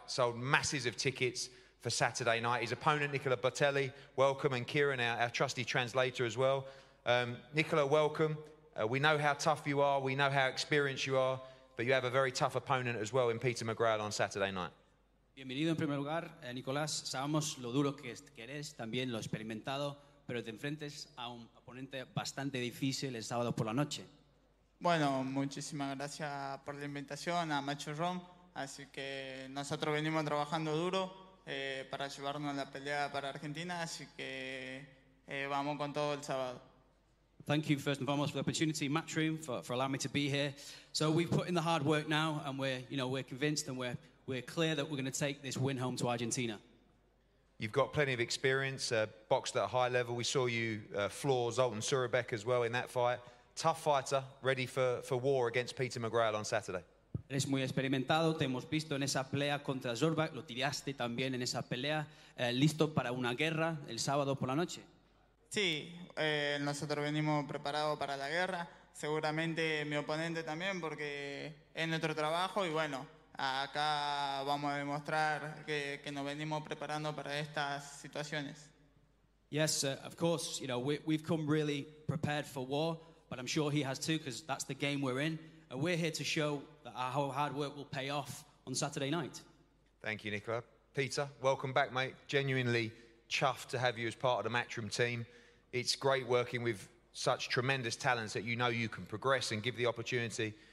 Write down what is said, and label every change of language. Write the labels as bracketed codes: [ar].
[en] Sold masses of tickets for Saturday night. His opponent, Nicola Bottelli, welcome. And Kieran, our trusty translator as well. Nicola, welcome. We know how tough you are. We know how experienced you are. But you have a very tough opponent as well in Peter McGrail on Saturday night. [es] Bienvenido en primer lugar, Nicolás. Sabemos lo duro que eres, también lo experimentado, pero te enfrentes a un oponente bastante difícil el sábado por la noche. Bueno, muchísimas gracias por la invitación a Matchroom. Así que nosotros venimos trabajando duro para llevarnos la pelea para Argentina, así que vamos con todo el sábado. [en] Thank you, first and foremost, for the opportunity, Matchroom, for allowing me to be here. So we've put in the hard work now, and we're convinced and we're clear that we're going to take this win home to Argentina. You've got plenty of experience, boxed at a high level. We saw you floor Zoltan Surabek as well in that fight. Tough fighter, ready for war against Peter McGrail on Saturday. [es] Eres muy experimentado, te hemos visto en esa pelea contra Zorbak, lo tiraste también en esa pelea, listo para una guerra el sábado por la noche. Sí, nosotros venimos preparados para la guerra, seguramente mi oponente también, porque es nuestro trabajo y bueno, acá vamos a demostrar que nos venimos preparando para estas situaciones. [en] Yes, of course, you know, we've come really prepared for war, but I'm sure he has too, because that's the game we're in, And we're here to show that our hard work will pay off on Saturday night. Thank you, Nicola. Peter, welcome back, mate. Genuinely chuffed to have you as part of the Matchroom team. It's great working with such tremendous talents that you know you can progress and give the opportunity.